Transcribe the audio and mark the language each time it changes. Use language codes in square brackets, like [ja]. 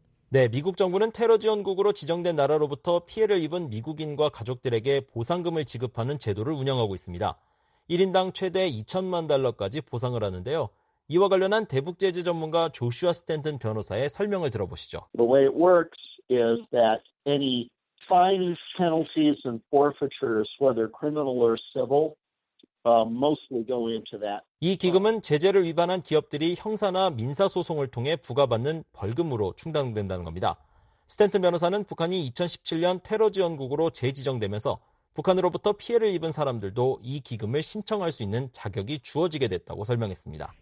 [ko] 네, 미국 정부는 테러 지원국으로 지정된 나라로부터 피해를 입은 미국인과 가족들에게 보상금을 지급하는 제도를 운영하고 있습니다. 1인당 최대 2천만 달러까지 보상을 하는데요. 이와 관련한 대북 제재 전문가 조슈아 스탠튼 변호사의 설명을 들어보시죠. [en] The way it works is that any fines, penalties and forfeitures, whether criminal or civil, mostly go into that. [ko] 이 기금은 제재를 위반한 기업들이 형사나 민사 소송을 통해 부과받는 벌금으로 충당된다는 겁니다. 스탠튼 변호사는 북한이 2017년 테러 지원국으로 재지정되면서 북한으로부터 피해를 입은 사람들도 이 기금을 신청할 수 있는 자격이 주어지게 됐다고 설명했습니다.